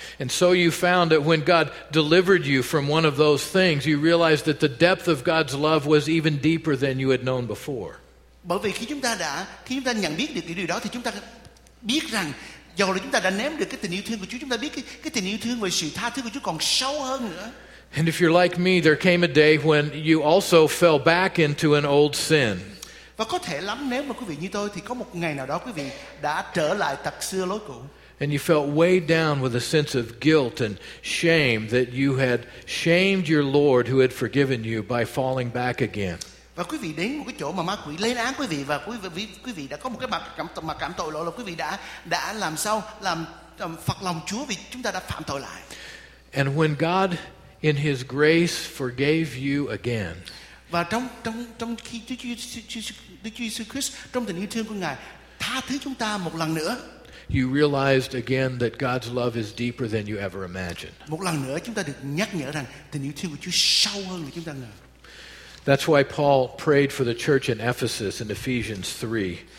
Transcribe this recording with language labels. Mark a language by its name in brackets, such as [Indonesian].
[English] And so you found that when God delivered you from one of those things, you realized that the depth of God's love was even deeper than you had known before. [Vietnamese] Bởi vì khi chúng ta nhận biết được điều đó, thì chúng ta biết rằng dù là chúng ta đã nếm được cái tình yêu thương của Chúa, chúng ta biết cái tình yêu thương và sự tha thứ của Chúa còn sâu hơn nữa. [English] And if you're like me, there came a day when you also fell back into an old sin. [Vietnamese] Và có thể lắm nếu mà quý vị như tôi thì có một ngày nào đó quý vị đã trở lại tật xưa lối cũ. [English] And you felt weighed down with a sense of guilt and shame that you had shamed your Lord who had forgiven you by falling back again. [Vietnamese] Và quý vị đến một cái chỗ mà ma quỷ lên án quý vị và quý vị đã có một cái mặt cảm tội lỗi là quý vị đã làm sao làm phật lòng Chúa vì chúng ta đã phạm tội lại. [English] And when God in his grace forgave you again. [Vietnamese] Và trong khi Đức Chúa Jesus Christ trong tình yêu thương của Ngài tha thứ chúng ta một lần nữa. [English] You realized again that God's love is deeper than you ever imagined. [Vietnamese] Một lần nữa chúng ta được nhắc nhở rằng tình yêu thương của Chúa sâu hơn là chúng ta ngờ. [English] That's why Paul prayed for the church in Ephesus in Ephesians 3.